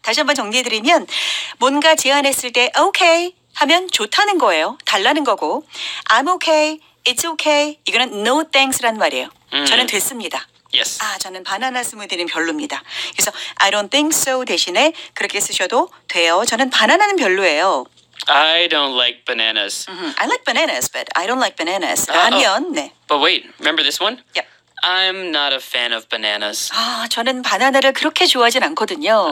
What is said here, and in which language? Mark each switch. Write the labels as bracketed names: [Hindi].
[Korean] 다시 한번 정리해드리면 뭔가 제안했을 때 okay 하면 좋다는 거예요. 달라는 거고 [English] I'm okay, it's okay. [Korean] 이거는 no thanks라는 말이에요. 저는 됐습니다. [English] Yes. [Korean] 아, 저는 바나나 스무디는 별로입니다. 그래서 [English] I don't think so [Korean] 대신에 그렇게 쓰셔도 돼요. 저는 바나나는 별로예요. [English] I don't like bananas. Mm-hmm. I like bananas, but I don't like bananas. [Korean] 아니요, 네. [English] But wait, remember this one? Yep. I'm not a fan of bananas. [Korean] 아, 저는 바나나를 그렇게 좋아하진 않거든요.